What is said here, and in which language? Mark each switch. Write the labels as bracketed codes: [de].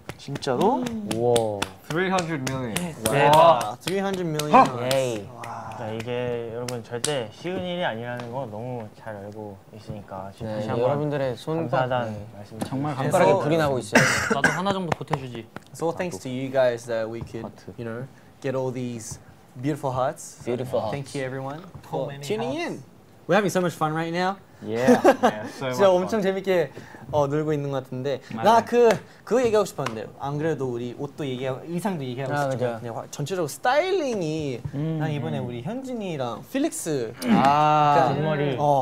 [ko] 진짜로? 우와. [en] 300 million. 대박. 300 million. [ko] 와. 이게 여러분 절대 쉬운 일이 아니라는 거 너무 잘 알고 있으니까 지금 네, 다시 한번 여러분들의 손바닥 네. 말씀 정말 간발하게 불이 나고 있어요. 나도 하나 정도 보태주지. [en] So thanks to you guys that we could, you know, get all these beautiful hearts. Beautiful hearts. Thank you everyone for tuning in. We're having so much fun right now. Yeah. [ko] 진짜 엄청 재밌게 놀고 있는 것 같은데 나 그 얘기하고 싶었는데 안 그래도 우리 옷도 얘기하고 의상도 얘기하고 싶었는데 전체적으로 스타일링이 난 이번에 우리 현진이랑 필릭스 앞머리